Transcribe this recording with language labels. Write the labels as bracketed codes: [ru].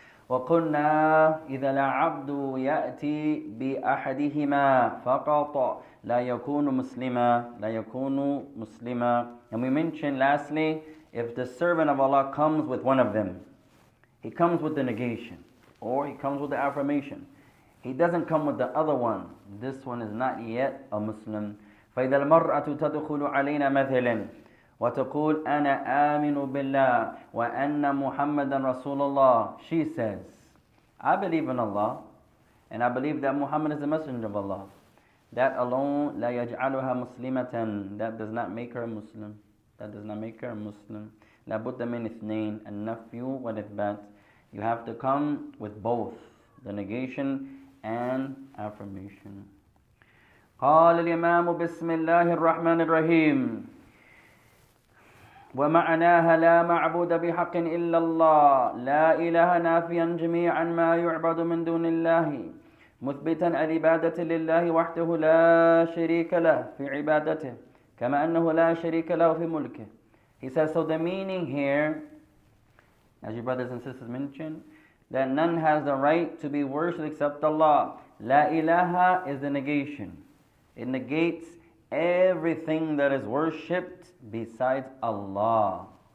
[ar] وقلنا إذا العبد يأتي بأحدهما فقط لا يكون مسلما لا يكون مسلما. [en] And we mentioned lastly, if the servant of Allah comes with one of them, he comes with the negation, or he comes with the affirmation, he doesn't come with the other one, this one is not yet a Muslim. [ar] فإذا المرأة تدخل علينا مثلا وتقول أنا آمن بالله وأن محمدا رسول الله. [en] She says, I believe in Allah, and I believe that Muhammad is the messenger of Allah. That alone, [ar] لا يجعلها مسلمة. [en] That does not make her a Muslim. That does not make her a Muslim. [ar] لابد من اثنين, النفي والإثبات. [en] You have to come with both, the negation and affirmation. [ar] قال الإمام بسم الله الرحمن الرحيم. ومعناها لا معبود بحق إلا الله لا إله نافيا جميعا ما يعبد من دون الله مثبتا العبادة لله وحده لا شريك له في عبادته كما أنه لا شريك له في ملكه. [en] He says, so the meaning here, as your brothers and sisters mentioned, that none has the right to be worshipped except Allah. لا إله is the negation. It negates everything that is worshipped besides Allah.